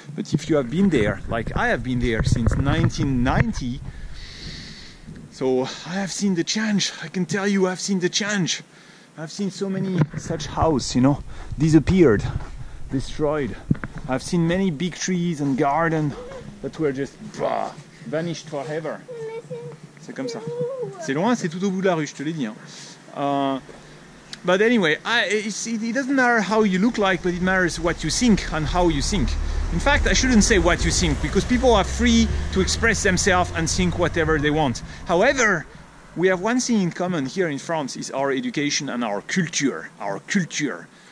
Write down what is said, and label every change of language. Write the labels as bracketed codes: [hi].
[en] But if you have been there, like I have been there since 1990, so I have seen the change. I can tell you, I've seen the change. I've seen so many such houses, you know, disappeared, destroyed. I've seen many big trees and garden that were just bah, vanished forever. [fr] C'est comme ça. C'est loin, c'est tout au bout de la rue, je te l'ai dit. Hein. [en] But anyway, it doesn't matter how you look like, but it matters what you think and how you think. In fact, I shouldn't say what you think, because people are free to express themselves and think whatever they want. However, we have one thing in common here in France, is our education and our culture. Our culture.